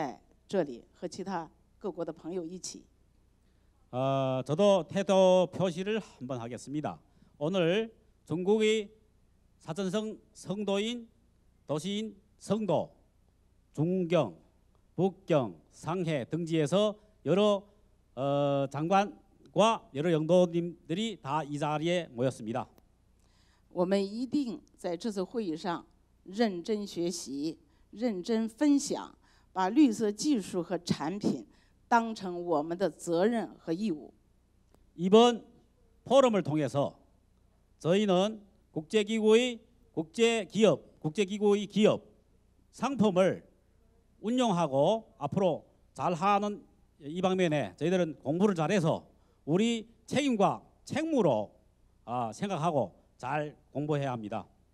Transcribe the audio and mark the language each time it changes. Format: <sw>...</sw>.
<zh>所以呢，我也表个态。那么今天我们在中国的成都、重庆、北京、上海来了许多的领导和当地著名的人物。今天我们聚集在这里，和其他各国的朋友一起。</zh> <ko>저도 태도 표시를 한번 하겠습니다. 오늘 중국의 사천성 성도인 도시인 성도, 중경, 북경, 상해 등지에서 여러 장관과 여러 영도님들이 다 이 자리에 모였습니다.</ko> <zh>我们一定在这次会议上认真学习，认真分享，把绿色技术和产品当成我们的责任和义务。</zh> <ko>이번 포럼을 통해서 저희는 국제기구의 국제기업, 국제기구의 기업 상품을 운용하고 앞으로 잘하는 이 방면에 저희들은 공부를 잘해서 우리 책임과 책무로 생각하고 잘 공부해야 합니다.</ko>